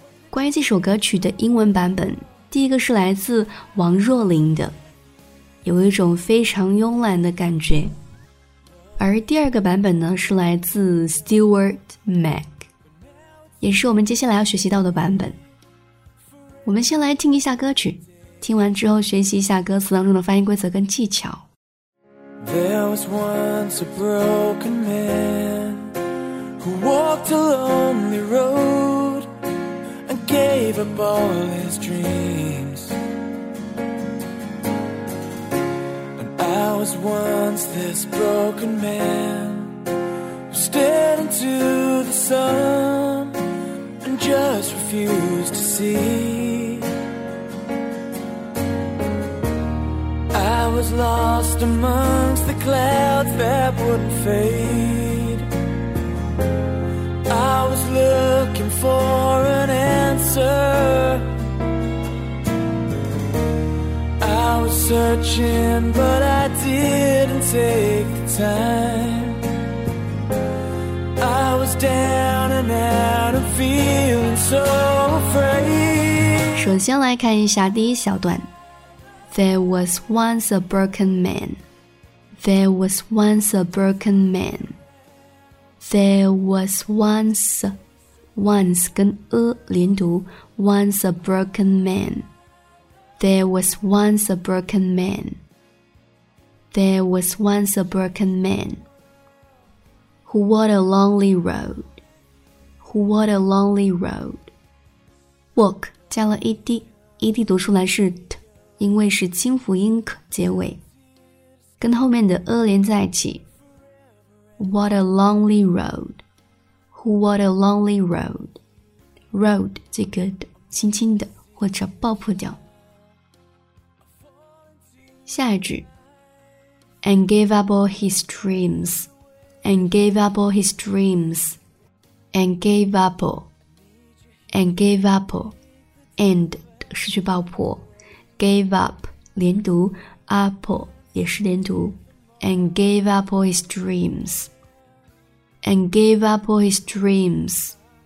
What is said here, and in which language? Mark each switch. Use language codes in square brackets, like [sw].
[zh] 关于这首歌曲的英文版本，第一个是来自王若琳的，有一种非常慵懒的感觉。而第二个版本呢，是来自 Stewart Mac， 也是我们接下来要学习到的版本。我们先来听一下歌曲，听完之后学习一下歌词当中的发音规则跟技巧。 [en] There was once a broken man who walked a lonely road and gave up all his dreams. And I was once this broken man who stared into the sun and just refused to see. I was lost amongst the clouds that wouldn't fade. I was looking for an answer. I was searching, but I didn't take the time. I was down and out and feeling so afraid. [zh] 首先来看一下第一小段。 [en] There was once a broken man. There was once a broken man. There was once, once [zh] 跟a连读, [en] once a broken man. There was once a broken man. There was once a broken man. Who walked a lonely road. Who walked a lonely road. [zh] Walk 加了ed, ed 读出来是t。因为是清辅音k结尾，跟后面的a连在一起。 [en] What a lonely road. Who what a lonely road. [zh] Road 这个的轻轻的或者爆破掉。下一句。 [en] And gave up all his dreams. And gave up all his dreams. And gave up all. And gave up all. [zh] And 失去爆破。 [en] Gave up, [zh] 连读 apple 也是连读 [en] and gave up all his dreams, and gave up all his dreams.